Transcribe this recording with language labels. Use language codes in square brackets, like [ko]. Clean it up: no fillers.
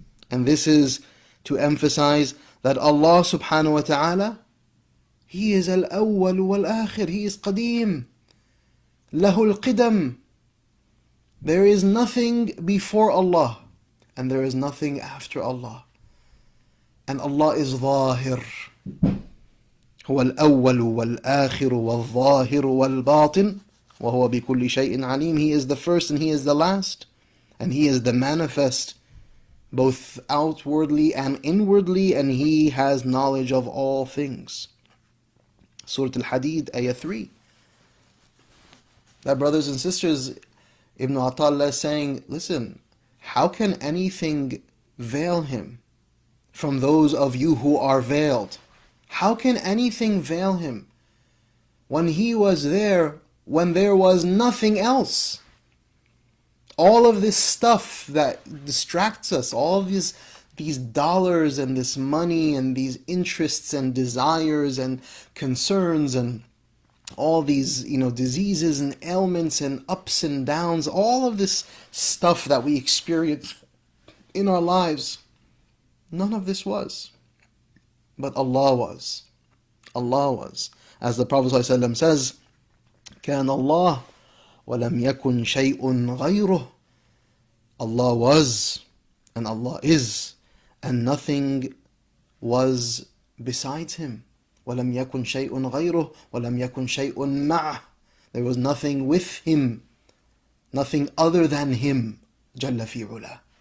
[en] And this is to emphasize that Allah subhanahu wa ta'ala, he is al-awwal wal-akhir, he is qadeem, lahu al-qidam. There is nothing before Allah, and there is nothing after Allah. And Allah is ظاهر. [ar] هو الأول والآخر والظاهر والباطن وهو بكل شيء عليم. [en] He is the first and he is the last, and he is the manifest, both outwardly and inwardly, and he has knowledge of all things. Surah Al-Hadid, Ayah 3. That, brothers and sisters, Ibn Atallah is saying, listen, how can anything veil him from those of you who are veiled? How can anything veil him when he was there, when there was nothing else? All of this stuff that distracts us, all of these dollars and this money and these interests and desires and concerns and all these, you know, diseases and ailments and ups and downs, all of this stuff that we experience in our lives, none of this was. But Allah was. Allah was. As the Prophet ﷺ says, [ar] كان الله ولم يكن شيء غيره. [en] Allah was and Allah is, and nothing was besides him. [ar] وَلَمْ يَكُنْ شَيْءٌ غَيْرُهُ وَلَمْ يَكُنْ شَيْءٌ مَعْهُ. [en] There was nothing with him, nothing other than him, [ar] جَلَّ فِي عُلَى.